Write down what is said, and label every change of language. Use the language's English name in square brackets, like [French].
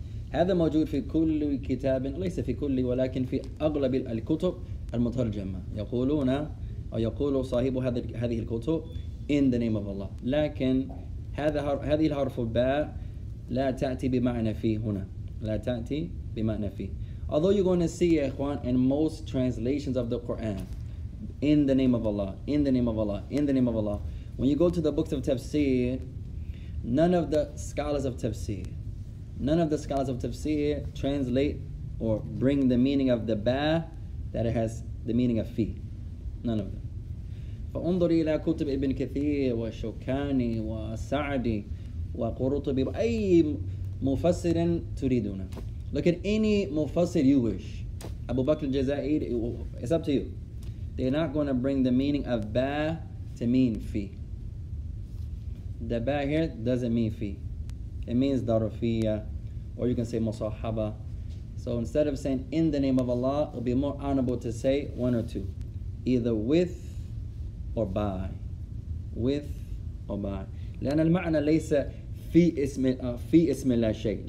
[Arabic] هذا موجود في كل كتاب ليس في كل ولكن في أغلب الكتب المترجمة. يقولون أو يقول صاحب هذه الكتب [English] in the name of Allah. [Arabic] لكن هذه الحرف الباء لا تأتي بمعنى فيه هنا. لا تأتي بمعنى فيه. [English] Although you're going to see, يا إخوان, in most translations of the Quran, in the name of Allah, in the name of Allah, in the name of Allah. When you go to the books of Tafsir, none of the scholars of Tafsir translate or bring the meaning of the باء that it has the meaning of فيه. None of them. [Arabic] فانظر إلى كتب ابن كثير وشوكاني وسعدي وقرطبي أي مفسر تريدونه. [English] Look at any مفسر you wish. أبو بكر الجزائري. It's up to you. They're not going to bring the meaning of ba to mean fi. The ba here doesn't mean fi. It means darufiya, or you can say مصاحبة. So instead of saying in the name of Allah, it'll be more honorable to say one or two, either with or by, with or by. [Arabic] لأن المعنى ليس في اسم الله شيء.